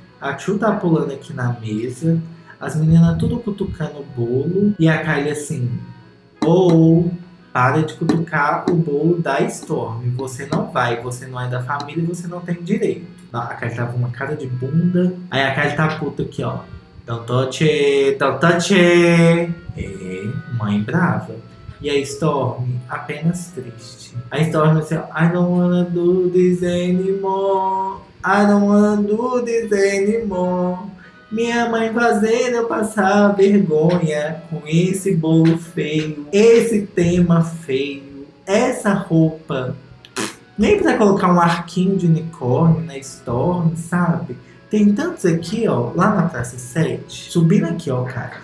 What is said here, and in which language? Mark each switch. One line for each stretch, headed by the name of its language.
Portuguese: A Chu tá pulando aqui na mesa. As meninas tudo cutucando o bolo. E a Kylie assim, ou para de cutucar o bolo da Storm. Você não vai, você não é da família e você não tem direito. A Kylie tava uma cara de bunda. Aí a Kylie tá puta aqui, ó.
English: Don't touch it, don't touch it.
Portuguese: É, mãe brava. E a Storm, apenas triste. A Storm assim,
English: I don't wanna do this anymore. I don't wanna do this anymore.
Portuguese: Minha mãe fazendo eu passar vergonha com esse bolo feio, esse tema feio, essa roupa. Nem pra colocar um arquinho de unicórnio na Storm, sabe? Tem tantos aqui, ó, lá na Praça 7. Subindo aqui, ó, cara.